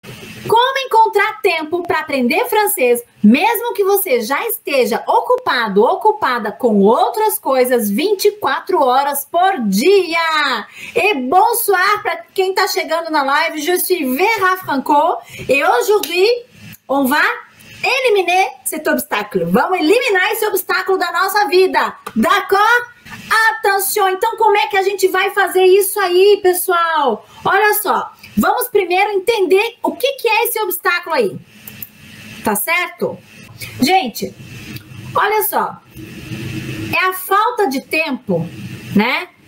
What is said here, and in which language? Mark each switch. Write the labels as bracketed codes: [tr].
[pt] Como encontrar tempo para aprender francês, mesmo que você já esteja ocupado ou ocupada com outras coisas 24 horas por dia? E bonsoir para quem está chegando na live. [fr] Je suis Vera Franco. E aujourd'hui, on va éliminer cet obstacle. [pt] Vamos eliminar esse obstáculo da nossa vida. [fr] D'accord? Attention! [pt] Então, como é que a gente vai fazer isso aí, pessoal? Olha só. Vamos primeiro entender o que que é esse obstáculo aí, tá certo? Gente, olha só, é a falta de tempo, né?